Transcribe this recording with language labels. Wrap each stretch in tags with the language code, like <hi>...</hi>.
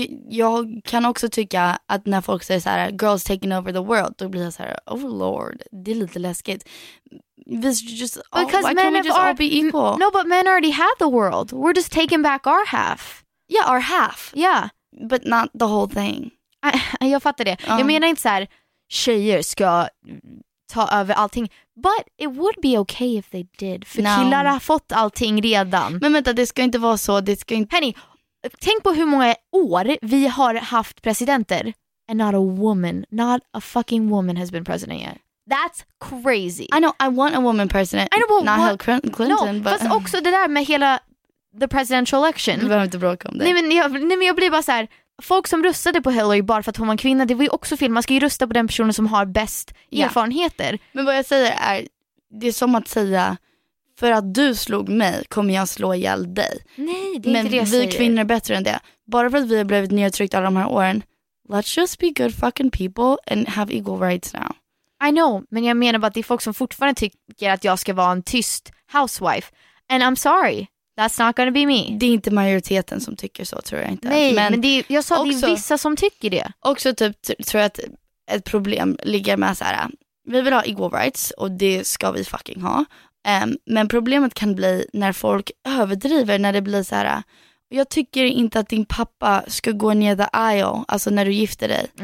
<sv>Jag kan också tycka att när folk säger så här,</sv> <en>girls taking over the world,</en> <sv>då blir jag så här,</sv> <en>oh lord,</en> <sv>det är lite läskigt.</sv> <en>Why can't we just all be equal? No, but men already had the world. We're just taking back our half. Yeah, our half. Yeah. But not the whole thing.</en> <sv>Jag fattar det. Jag menar inte så här, tjejer ska ta över allting.</sv> <en>But it would be okay if they did.</en> <sv>För</sv> <en>no.</en> <sv>Killar har fått allting redan. Men vänta, det ska inte vara så. Det ska inte... Penny, tänk på hur många år vi har haft presidenter.</sv> <en>And not a woman. Not a fucking woman has been president yet. That's crazy. I know, I want a woman president. I know, but not Hillary Clinton. No, but...</en> <sv>fast också det där med hela</sv> <en>the presidential election.</en> <sv>Vi behöver inte bråka om det. Nej, men jag blir bara så här. folk som röstade på Hillary bara för att hon var kvinna, det var ju också fel. Man ska ju rösta på den personen som har bäst erfarenheter. Men vad jag säger är, det är som att säga, för att du slog mig kommer jag slå ihjäl dig. Nej, det är men inte det. Men vi kvinnor är bättre än det. Bara för att vi har blivit nedtryckta alla de här åren,</sv> <en>let's just be good fucking people and have equal rights now. I know,</en> <sv>men jag menar bara att det är folk som fortfarande tycker att jag ska vara en tyst housewife. And I'm sorry, that's not gonna be me. Det är inte majoriteten som tycker så, tror jag inte. Nej, men det är, jag sa också, det är vissa som tycker det. Också typ, tror jag att ett problem ligger med så här, vi vill ha equal rights och det ska vi fucking ha. Men problemet kan bli när folk överdriver, när det blir så här, jag tycker inte att din pappa ska gå ner</sv> <en>the aisle,</en> <sv>alltså när du gifter dig.</sv>